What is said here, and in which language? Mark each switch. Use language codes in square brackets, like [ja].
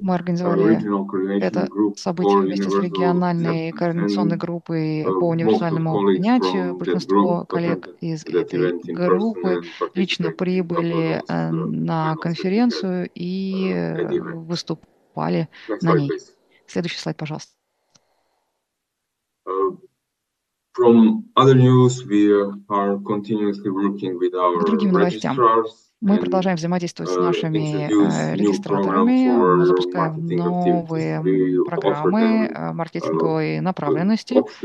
[ru] Мы организовали это событие вместе с региональной координационной группой по универсальному принятию. Большинство коллег из этой группы лично прибыли на конференцию и выступали на ней. Следующий слайд, пожалуйста. [en] From other news, we are continuously working with our registrars. [ru] Мы продолжаем взаимодействовать с нашими регистраторами, мы запускаем новые программы маркетинговой направленности.